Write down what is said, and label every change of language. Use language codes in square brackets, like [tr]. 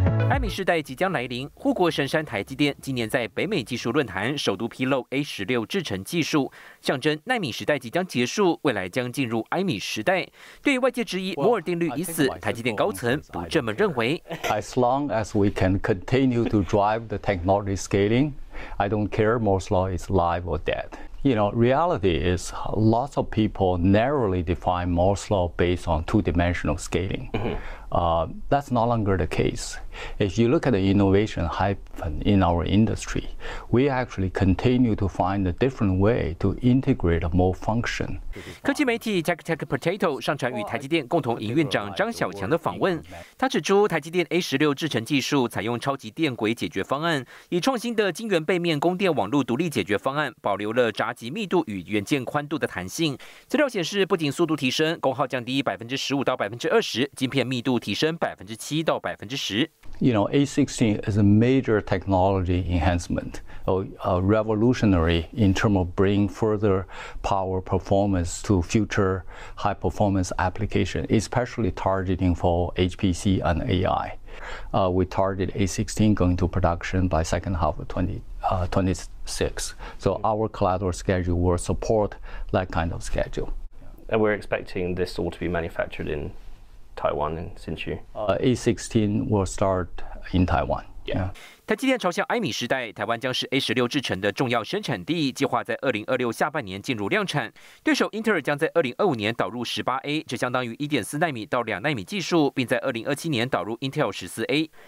[zh] 艾米世代即将来临，护国神山台积电今年在北美技术论坛首度披露 A16 制程技术，象征奈米时代即将结束，未来将进入艾米时代。对外界质疑摩尔定律已死，台积电高层不这么认为。 [en] As long as we can continue to drive the technology scaling, I don't care Moore's law is live or dead. You know, reality is lots of people narrowly define Moore's law based on two-dimensional scaling. That's no longer the case. If you look at the innovation hype in our industry, we actually continue to find a different way to integrate more function. [zh] 科技媒体 Tech Potato 上传与台积电共同营运长张小强的访问，他指出台积电 A16 制程技术采用超级电轨解决方案，以创新的晶圆背面供电网络独立解决方案，保留了闸极密度与元件宽度的弹性。资料显示，不仅速度提升，功耗降低15%-20%，晶片密度提升7%-10%。 [en] You know, A16 is a major technology enhancement, a revolutionary in terms of bringing further power performance to future high performance application, especially targeting for HPC and AI. We target A16 going to production by second half of 2026. So our collateral schedule will support that kind of schedule. And we're expecting this all to be manufactured in Taiwan and Hsinchu. A16 will start in Taiwan. Yeah. [zh] 台积电朝向 i 米时代，台湾将是 A16 制程的重要生产地，计划在2026下半年进入量产。对手英特尔将在2025年导入 18A， 这相当于 1.4奈米到2奈米技术，并在2027年导入 Intel 14A。